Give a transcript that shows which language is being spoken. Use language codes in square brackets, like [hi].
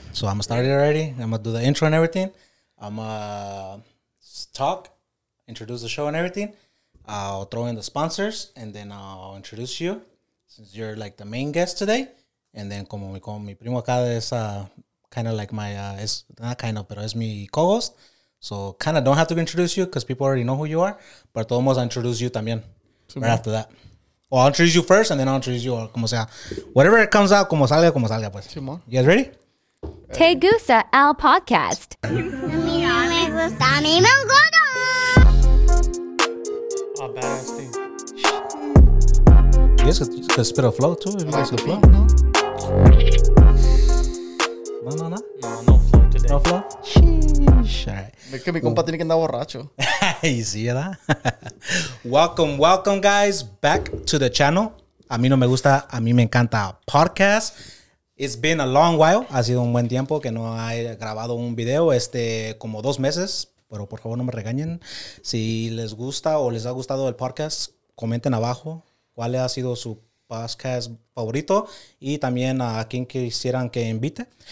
[en] So I'm gonna start it already. I'm gonna do the intro and everything. I'm gonna talk, introduce the show and everything. I'll throw in the sponsors and then I'll introduce you since you're like the main guest today. And then [es] como me con mi primo acá es [en] kind of like my es not kind of, [es] pero es mi [en] co-host. So kind of don't have to introduce you because people already know who you are. But [es] todos vamos a [en] introduce you [es] también [en] right after that. Well, I'll introduce you first and then I'll introduce you or [es] como sea. [en] Whatever it comes out, [es] como salga pues. [en] You guys ready? [es] Te gusta el podcast. Me gusta mi melgona. [en] Badass thing. You guys could spit a flow too. If you guys could flow. No. No flow today. No flow. Sheesh. All right. [es] Es que mi compa tiene que andar borracho. Y sí, ¿verdad? [en] Welcome, guys, back to the channel. [es] A mí no me gusta, a mí me encanta podcast. [en] It's been a long while. [es] Ha sido un buen tiempo que no he grabado un video. Como 2 meses. Pero por favor no me regañen. Si les gusta o les ha gustado el podcast, comenten abajo cuál ha sido su podcast favorito y también a quién quisieran que invite.